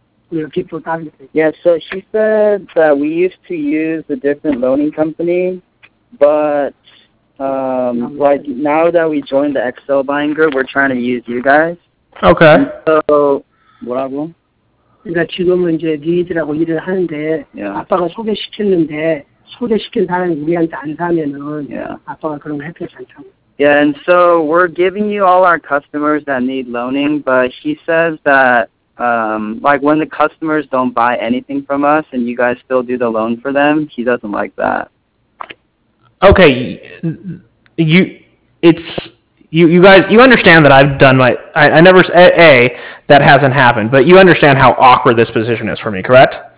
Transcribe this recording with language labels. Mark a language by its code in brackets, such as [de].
[en] Yeah, so she said that we used to use a different loaning company, but like now that we joined the Excel buying group, we're trying to use you guys. Okay. And so, bravo. [ko] 그러니까 지금은 이제 니들하고 일을 하는데 아빠가 소개시켰는데 소개시킨 사람이 우리한테 안 사면은 아빠가 그런 거 해결 잘 참. [en] Yeah, and so we're giving you all our customers that need loaning, but she says that. Like when the customers don't buy anything from us and you guys still do the loan for them, he doesn't like that. Okay, you understand that I've done my, I never, A, that hasn't happened, but you understand how awkward this position is for me, correct?